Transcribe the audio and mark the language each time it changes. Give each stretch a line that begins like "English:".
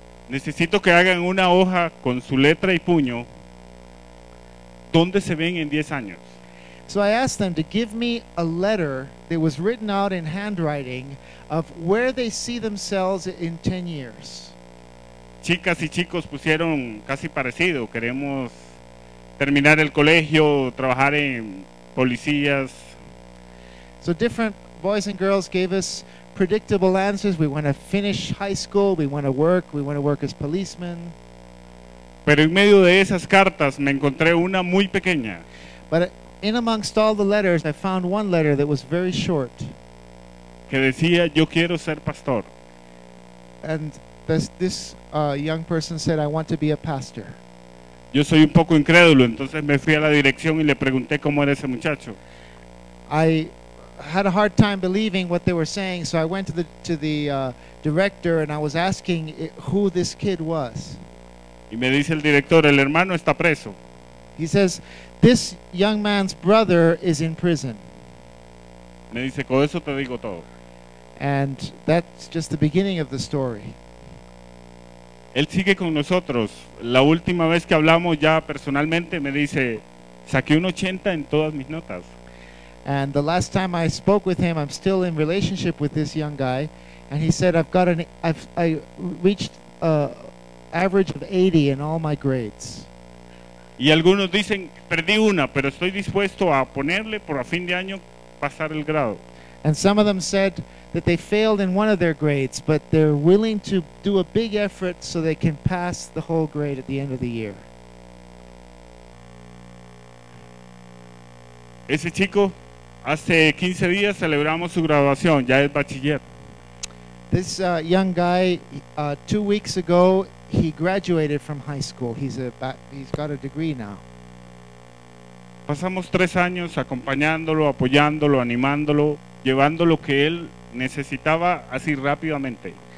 Spanish: Necesito que hagan una hoja con su letra y puño. ¿Dónde se ven en 10 años?
English: So I asked them to give me a letter that was written out in handwriting of where they see themselves in 10 years.
Spanish: Chicas y chicos pusieron casi parecido. Queremos terminar el colegio, trabajar en policías.
English: So different boys and girls gave us predictable answers. We want to finish high school, we want to work, we want to work as policemen.
Spanish: Pero en medio de esas cartas me encontré una muy pequeña.
English: But in amongst all the letters, I found one letter that was very short.
Spanish: Que decía, yo quiero ser pastor.
English: And this young person said, I want to be a pastor.
Spanish: Yo soy un poco incrédulo, entonces me fui a la dirección y le pregunté cómo era ese muchacho.
English: I had a hard time believing what they were saying, so I went to the director and I was asking who this kid was.
Spanish: Y me dice el director, el hermano está preso.
English: He says, this young man's brother is in prison.
Spanish: Me dice, con eso te digo todo.
English: And that's just the beginning of the story.
Spanish: Él sigue con nosotros. La última vez que hablamos ya personalmente me dice, saqué un 80 en todas mis notas.
English: And the last time I spoke with him, I'm still in relationship with this young guy, and he said, I reached average of 80 in all my grades.
Spanish: Y algunos dicen, perdí una, pero estoy dispuesto a ponerle por a fin de año pasar el grado.
English: And some of them said that they failed in one of their grades, but they're willing to do a big effort so they can pass the whole grade at the end of the year.
Spanish: Ese chico, hace 15 días celebramos su graduación, ya es bachiller.
English: This young guy, 2 weeks ago, he graduated from high school. He's got a degree now.
Spanish: Pasamos 3 años acompañándolo, apoyándolo, animándolo, llevando lo que él necesitaba así rápidamente.